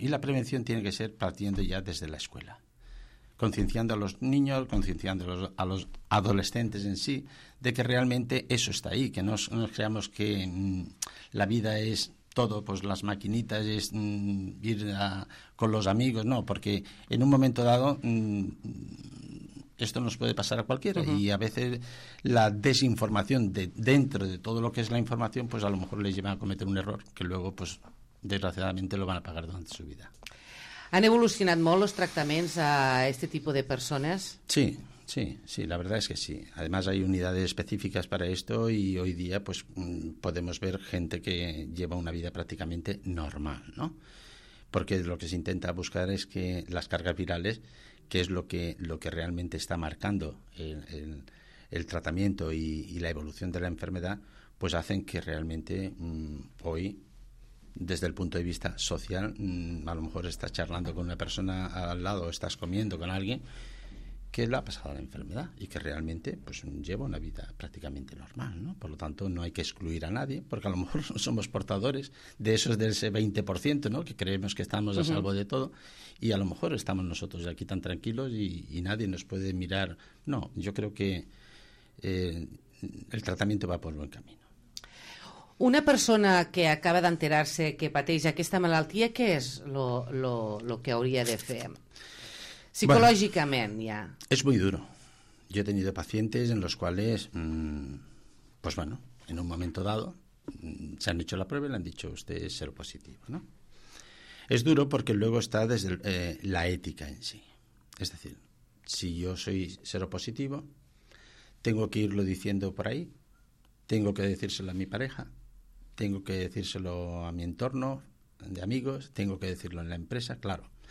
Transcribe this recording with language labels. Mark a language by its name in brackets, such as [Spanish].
[Spanish] Y la prevención tiene que ser partiendo ya desde la escuela. Concienciando a los niños, concienciando a los adolescentes en sí, de que realmente eso está ahí, que no nos creamos que la vida es todo, pues las maquinitas, es ir con los amigos, no, porque en un momento dado esto nos puede pasar a cualquiera. Uh-huh. Y a veces la desinformación dentro de todo lo que es la información, pues a lo mejor les lleva a cometer un error que luego, pues desgraciadamente, lo van a pagar durante su vida. [Catalan] ¿Han evolucionat molt els tractaments a este tipus de persones? [Spanish] Sí, sí, sí, la verdad es que sí. Además hay unidades específicas para esto y hoy día pues podemos ver gente que lleva una vida prácticamente normal, ¿no? Porque lo que se intenta buscar es que las cargas virales, que es lo que realmente está marcando el tratamiento y la evolución de la enfermedad, pues hacen que realmente hoy... Desde el punto de vista social, a lo mejor estás charlando con una persona al lado, estás comiendo con alguien que le ha pasado la enfermedad y que realmente pues lleva una vida prácticamente normal, ¿no? Por lo tanto, no hay que excluir a nadie, porque a lo mejor somos portadores de esos del 20%, ¿no?, que creemos que estamos a salvo de todo, y a lo mejor estamos nosotros aquí tan tranquilos y nadie nos puede mirar. No, yo creo que el tratamiento va por buen camino. [Catalan] Una persona que acaba d'enterar-se que pateix aquesta malaltia, què és lo que hauria de fer? Psicològicament, bueno, ja. És molt duro. [Spanish] Jo he tenido pacientes en los cuales, pues bueno, en un momento dado, se han hecho la prueba y le han dicho usted es seropositivo, ¿no? Es duro porque luego está desde la ética en sí. Es decir, si yo soy seropositivo, tengo que irlo diciendo por ahí, tengo que decírselo a mi pareja, tengo que decírselo a mi entorno de amigos, tengo que decirlo en la empresa, claro.